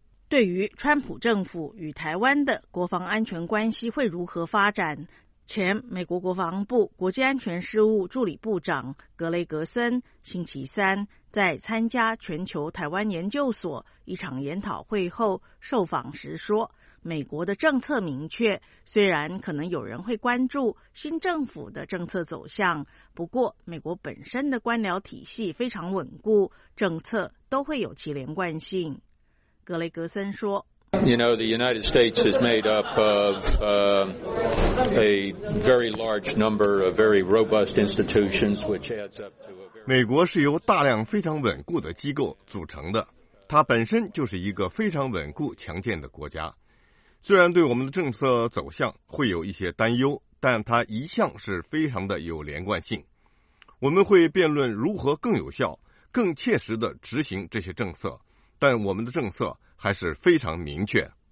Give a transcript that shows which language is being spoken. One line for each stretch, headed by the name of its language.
Chinese: 对于川普政府与台湾的国防安全关系会如何发展，前美国国防部国际安全事务助理部长格雷格森星期三在参加全球台湾研究所一场研讨会后受访时说，美国的政策明确，虽然可能有人会关注新政府的政策走向，不过美国本身的官僚体系非常稳固，政策都会有其连贯性。格雷格森说，
English: You know, the United States is made up of a very large number of very robust institutions, which adds up to a very.
Chinese: 美国是由大量非常稳固的机构组成的，它本身就是一个非常稳固强健的国家。虽然对我们的政策走向会有一些担忧，但它一向是非常的有连贯性。我们会辩论如何更有效、更切实地执行这些政策，但我们的政策还是非常明确。